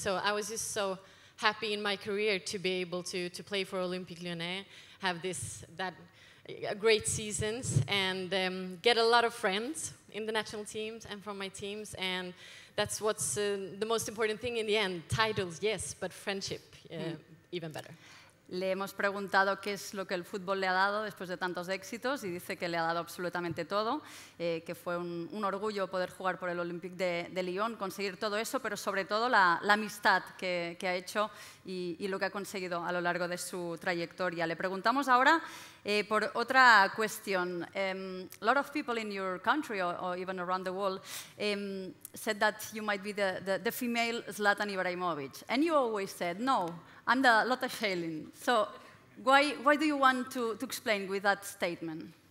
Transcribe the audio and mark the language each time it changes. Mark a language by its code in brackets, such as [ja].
[en] So I was just so happy in my career to be able to play for Olympique Lyonnais, have this that great seasons, and get a lot of friends in the national teams and from my teams, and that's what's the most important thing in the end. Titles, yes, but friendship, even better. [es] Le hemos preguntado qué es lo que el fútbol le ha dado después de tantos éxitos y dice que le ha dado absolutamente todo, que fue un orgullo poder jugar por el Olympique de Lyon, conseguir todo eso, pero sobre todo la amistad que ha hecho y lo que ha conseguido a lo largo de su trayectoria. Le preguntamos ahora por otra cuestión. [en] A lot of people in your country or even around the world said that you might be the female Zlatan Ibrahimovic. And you always said no. I'm the Lotta Schelling. So why do you want to explain with that statement?